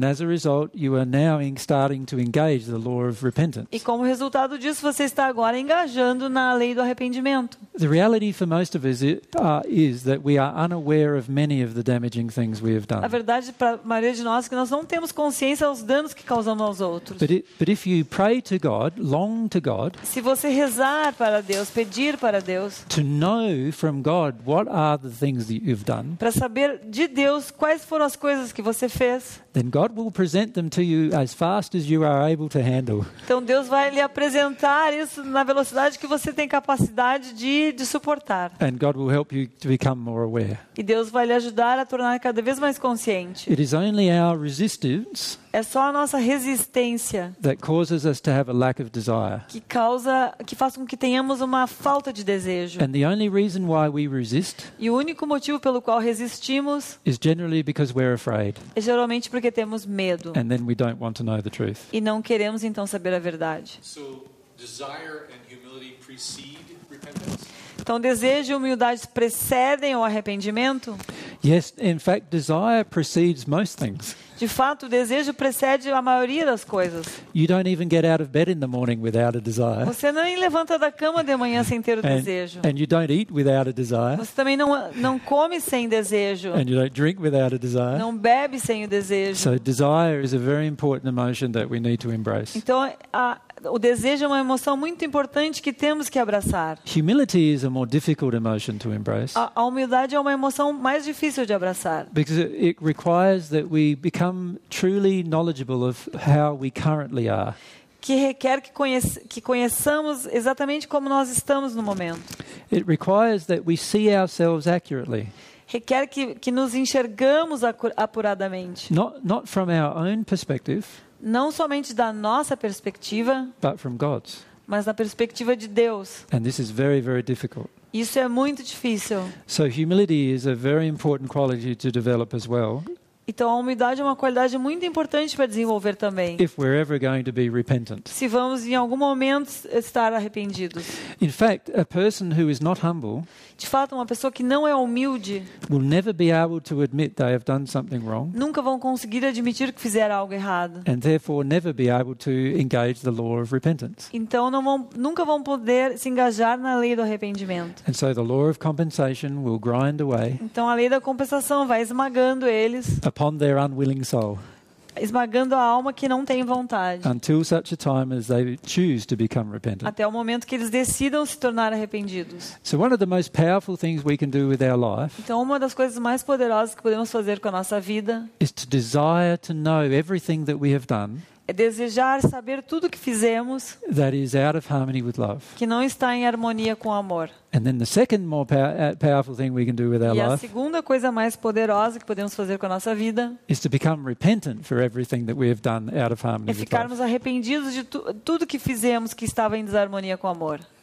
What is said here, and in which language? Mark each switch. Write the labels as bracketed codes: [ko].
[en] And as a result, you are now starting to engage the law of repentance. [pt] E como resultado disso, você está agora engajando na lei do arrependimento. [en] The reality for most of us is that we are unaware of many of the damaging things we have done. [pt] A verdade para a maioria de nós é que nós não temos consciência dos danos que causamos aos outros. [en] But if you pray to God, long to God, [pt] se você rezar para Deus, pedir para Deus, [en] to know from God what are the things that you've done, [pt] para saber de Deus quais foram as coisas que você fez, [en] then God will present them to you as fast as you are able to handle. [pt] Então Deus vai lhe apresentar isso na velocidade que você tem capacidade de suportar. [en] And God will help you to become more aware. [pt] E Deus vai lhe ajudar a tornar cada vez mais consciente. [en] It is only our resistance. [pt] É só a nossa resistência [en] that causes us to have a lack of desire. [pt] Que faz com que tenhamos uma falta de desejo. [en] And the only reason why we resist, [pt] e o único motivo pelo qual resistimos, [en] is generally because we're afraid. [pt] É geralmente porque temos medo. [en] And then we don't want to know the truth. [pt] E não queremos então saber a verdade. [en] So, desire and humility precede repentance. [pt] Então, desejo e humildade precedem o arrependimento? [en] Yes, in fact, desire precedes most things. [pt] De fato, o desejo precede a maioria das coisas. [en] You don't even get out of bed in the morning without a desire. [pt] Você nem levanta da cama de manhã sem ter o desejo. [en] And you don't eat without a desire. [pt] Você também não come sem desejo. [en] And you don't drink without a desire. [pt] Não bebe sem o desejo. [en] So desire is a very important emotion that we need to embrace. [pt] Então, o desejo é uma emoção muito importante que temos que abraçar. [en] Humility is a more difficult emotion to embrace. [pt] A humildade é uma emoção mais difícil de abraçar. [en] Because it requires that we become truly knowledgeable of how we currently are. [pt] Que requer que conheçamos exatamente como nós estamos no momento. [en] It requires that we see ourselves accurately. [pt] Requer que nos enxergamos apuradamente. [en] Not from our own perspective. [pt] não somente da nossa perspectiva, [en] but from God's. [pt] Mas da perspectiva de Deus. [en] And this is very, very difficult. [pt] Isso é muito difícil. [en] So humility is a very important quality to develop as well. [pt] Então a humildade é uma qualidade muito importante para desenvolver também. [en] If we're ever going to be repentant. [pt] Se vamos em algum momento estar arrependidos. [en] In fact, a person who is not humble, [pt] de fato, uma pessoa que não é humilde, [en] will never be able to admit they have done something wrong. [pt] Nunca vão conseguir admitir que fizeram algo errado. [en] And therefore never be able to engage the law of repentance. [pt] Então nunca vão poder se engajar na lei do arrependimento. [en] And so the law of compensation will grind away. [pt] Então a lei da compensação vai esmagando eles. [en] Upon their unwilling soul. [pt] Esmagando a alma que não tem vontade. [en] Until such a time as they choose to become repentant. [pt] Até o momento que eles decidam se tornar arrependidos. [en] So one of the most powerful things we can do with our life. [pt] Então uma das coisas mais poderosas que podemos fazer com a nossa vida. [en] Is to desire to know everything that we have done. [pt] É desejar saber tudo o que fizemos. [en] That is out of harmony with love. [pt] Que não está em harmonia com o amor. [en] And then the second more powerful thing we can do with our life. [pt] E a segunda coisa mais poderosa que podemos fazer com a nossa vida. [en] Is to become repentant for everything that we have done out of harmony with love. [pt] É ficarmos arrependidos de tudo que fizemos que estava em desarmonia com o amor.